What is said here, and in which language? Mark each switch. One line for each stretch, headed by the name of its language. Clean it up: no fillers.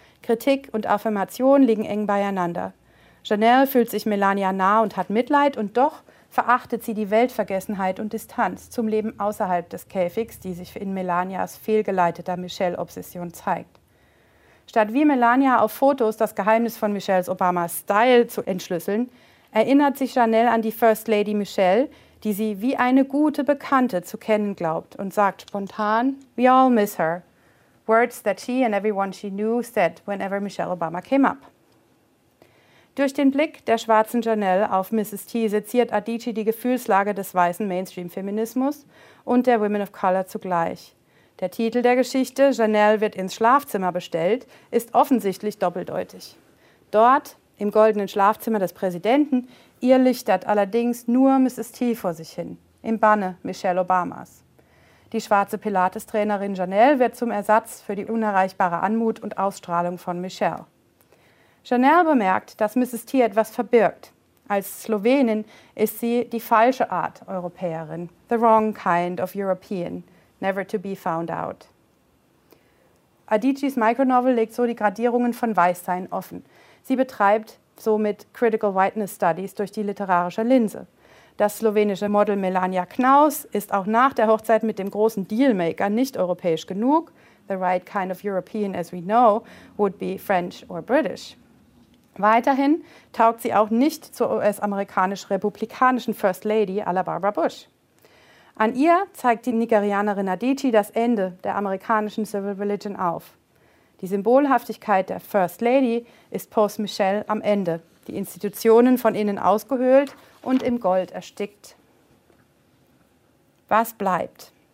German: Kritik und Affirmation liegen eng beieinander. Janelle fühlt sich Melania nah und hat Mitleid und doch verachtet sie die Weltvergessenheit und Distanz zum Leben außerhalb des Käfigs, die sich in Melanias fehlgeleiteter Michelle-Obsession zeigt. Statt wie Melania auf Fotos das Geheimnis von Michelles Obamas Style zu entschlüsseln, erinnert sich Janelle an die First Lady Michelle, die sie wie eine gute Bekannte zu kennen glaubt und sagt spontan,
English: "We all miss her." Words that she and everyone she knew said whenever Michelle Obama came up.
German: Durch den Blick der schwarzen Janelle auf Mrs. T seziert Adichie die Gefühlslage des weißen Mainstream-Feminismus und der Women of Color zugleich. Der Titel der Geschichte, Janelle wird ins Schlafzimmer bestellt, ist offensichtlich doppeldeutig. Dort, im goldenen Schlafzimmer des Präsidenten, irrlichtert allerdings nur Mrs. T vor sich hin, im Banne Michelle Obamas. Die schwarze Pilates-Trainerin Janelle wird zum Ersatz für die unerreichbare Anmut und Ausstrahlung von Michelle. Janelle bemerkt, dass Mrs. T etwas verbirgt. Als Slowenin ist sie die falsche Art Europäerin,
English: the wrong kind of European. Never to be found out.
German: Adichies Micronovel legt so die Gradierungen von Weißsein offen. Sie betreibt somit Critical Whiteness Studies durch die literarische Linse. Das slowenische Model Melania Knaus ist auch nach der Hochzeit mit dem großen Dealmaker nicht europäisch genug.
English: The right kind of European as we know would be French or British.
German: Weiterhin taugt sie auch nicht zur US-amerikanisch-republikanischen First Lady à la Barbara Bush. An ihr zeigt die Nigerianerin Adichie das Ende der amerikanischen Civil Religion auf. Die Symbolhaftigkeit der First Lady ist post Michelle am Ende, die Institutionen von innen ausgehöhlt und im Gold erstickt. Was bleibt?